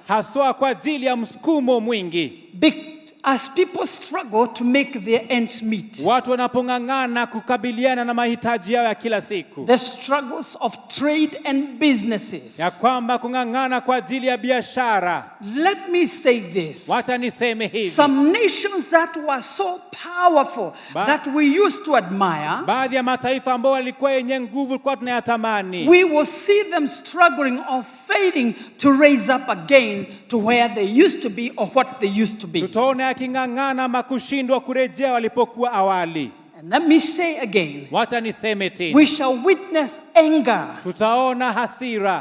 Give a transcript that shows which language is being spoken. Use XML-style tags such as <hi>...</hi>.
<sw>Haswa kwa ajili ya msukumo mwingi.</sw> <en>As people struggle to make their ends meet.</en> <sw>Watu wanapongangana kukabiliana na mahitaji yao ya kila siku.</sw> <en>The struggles of trade and businesses.</en> <sw>Ya kwamba kungangana kwa ajili ya biashara.</sw> <en>Let me say this.</en> <sw>Wacha niseme hivi.</sw> <en>Some nations that were so powerful that we used to admire.</en> <sw>Baadhi ya mataifa ambayo yalikuwa yenye nguvu kwa tunayatamani.</sw> <en>We will see them struggling or failing to raise up again to where they used to be or what they used to be.</en> <sw>Kingangana makushindwa kurejea walipokuwa awali.</sw> <en>And let me say again.</en> <sw>Wacha niseme tena.</sw> <en>We shall witness anger.</en> <sw>Tutaona hasira.</sw>